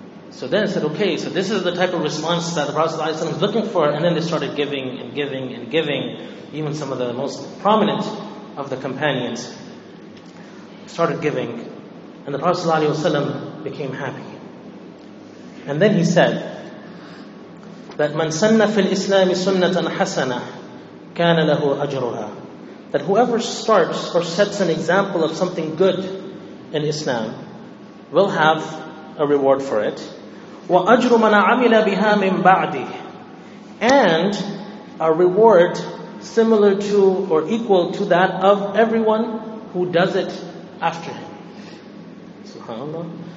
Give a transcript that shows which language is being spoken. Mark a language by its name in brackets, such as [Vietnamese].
[English] So then said, okay, so this is the type of response that the Prophet ﷺ is looking for. And then they started giving and giving and giving. Even some of the most prominent of the companions started giving. And the Prophet ﷺ became happy. And then he said that [Arabic] من سن في الإسلام سنة حسنة كان له أجرها. [English] That whoever starts or sets an example of something good in Islam will have a reward for it. [Arabic] وَأَجْرُ مَنَ عَمِلَ بِهَا مِنْ بَعْدِهِ [English] And a reward similar to or equal to that of everyone who does it after him. SubhanAllah.